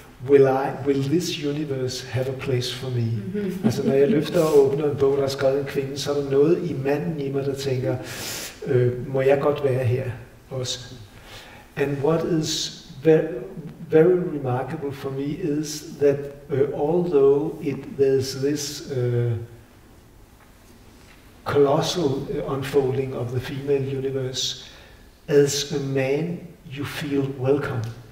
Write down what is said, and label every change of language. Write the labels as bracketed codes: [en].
[en] Will this universe have a place for me? Mm-hmm. [da] Altså når jeg løfter og åbner en bog, der er skrevet en kvinde, så er der noget i manden i mig, der tænker, må jeg godt være her også? [en] And what is very remarkable for me is that although there's this colossal unfolding of the female universe, as a man you feel welcome.